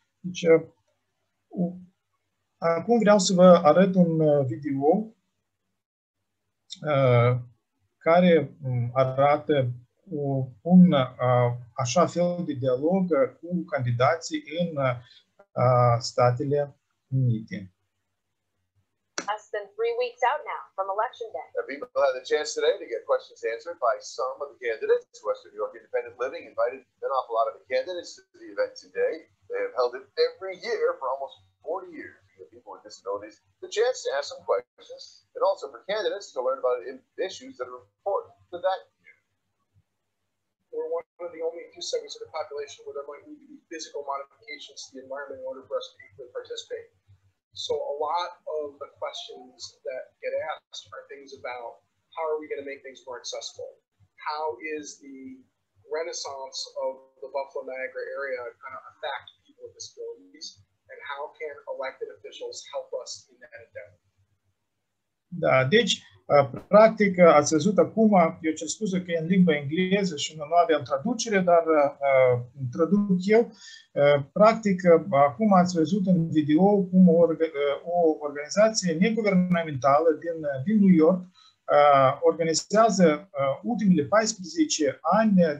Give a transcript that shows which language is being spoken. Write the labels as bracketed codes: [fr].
[ro] Deci, acum vreau să vă arăt un video care arată un așa fel de dialog cu candidații în Statele Unite. [en] Less than 3 weeks out now from Election Day. Now, people will have the chance today to get questions answered by some of the candidates. Western New York Independent Living invited an awful lot of the candidates to the event today. They have held it every year for almost 40 years. People with disabilities, the chance to ask some questions, and also for candidates to learn about issues that are important to that community. We're one of the only 2 segments of the population where there might need to be physical modifications to the environment in order for us to equally participate. So a lot of the questions that get asked are things about how are we going to make things more accessible? How is the renaissance of the Buffalo Niagara area going to affect people with disabilities? And how can elected officials help us in that endeavor? [ro] Da, deci, practic, ați văzut acum, eu ce spus că e în limba engleză și nu aveam traducere, dar traduc eu. Practic, acum ați văzut în video cum o organizație neguvernamentală din New York organizează ultimele 14 ani,